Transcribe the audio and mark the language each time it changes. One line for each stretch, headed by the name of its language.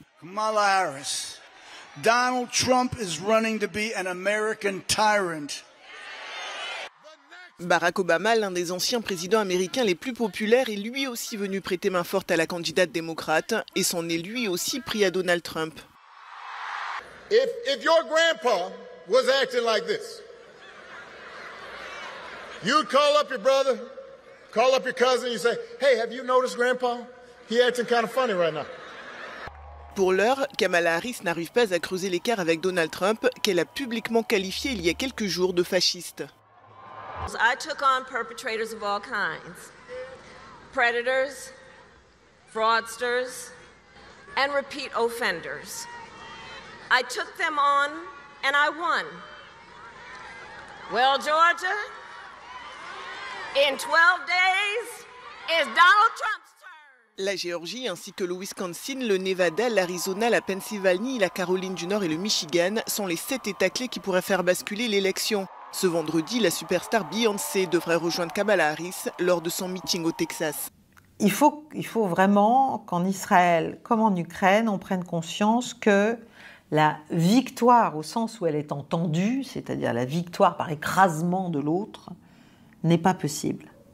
English: Kamala Harris, Donald Trump is running to be an American tyrant.
French: Barack Obama, l'un des anciens présidents américains les plus populaires, est lui aussi venu prêter main forte à la candidate démocrate et s'en est lui aussi pris à Donald Trump.
English: If your grandpa was acting like this, you'd call up your brother, call up your cousin, you say, hey, have you noticed grandpa? He acting kind of funny right now.
French: Pour l'heure, Kamala Harris n'arrive pas à creuser l'écart avec Donald Trump, qu'elle a publiquement qualifié il y a quelques jours de fasciste.
English: I took on perpetrators of all kinds. Predators, fraudsters, and repeat offenders. I took them on and I won. Well, Georgia, in 12 days, it's Donald Trump's turn.
French: La Géorgie, ainsi que le Wisconsin, le Nevada, l'Arizona, la Pennsylvanie, la Caroline du Nord et le Michigan sont les 7 États clés qui pourraient faire basculer l'élection. Ce vendredi, la superstar Beyoncé devrait rejoindre Kamala Harris lors de son meeting au Texas. Il faut vraiment qu'en Israël, comme en Ukraine, on prenne conscience que la victoire au sens où elle est entendue, c'est-à-dire la victoire par écrasement de l'autre, n'est pas possible.